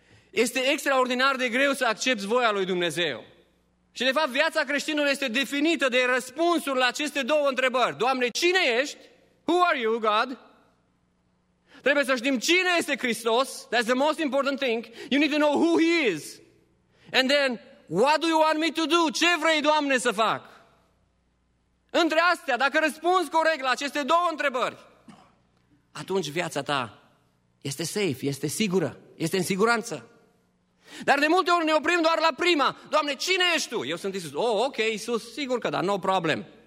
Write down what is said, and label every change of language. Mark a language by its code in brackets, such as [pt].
[ro] Este extraordinar de greu să accepți voia lui Dumnezeu. Și de fapt viața creștinului este definită de răspunsuri la aceste două întrebări. Doamne, cine ești? [en] Who are you, God? [ro] Trebuie să știm cine este Hristos. [en] That's the most important thing. You need to know who he is. And then, what do you want me to do? [ro] Ce vrei, Doamne, să fac? Între astea, dacă răspunzi corect la aceste două întrebări, atunci viața ta este safe, este sigură, este în siguranță. Dar de multe ori ne oprim doar la prima. Doamne, cine ești tu? Eu sunt Iisus. Oh, ok, Iisus, sigur că da, [en] no problem.